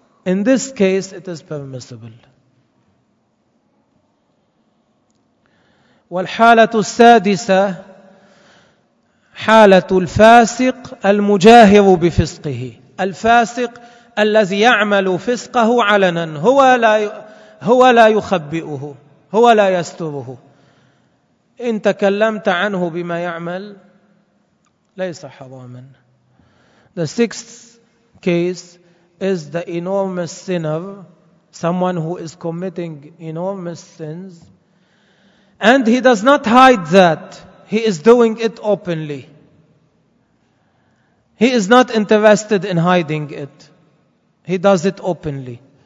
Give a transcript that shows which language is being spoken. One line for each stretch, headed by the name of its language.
English: In this case, it is permissible.
Arabic: والحالة السادسة حالة الفاسق المجاهر بفسقه. الفاسق الذي يعمل فسقه علنا، هو لا يخبئه، هو لا يستره. إن تكلمت عنه بما يعمل ليس حراما.
English: The sixth case is the enormous sinner, someone who is committing enormous sins, and he does not hide that. He is doing it openly. He is not interested in hiding it. He does it openly.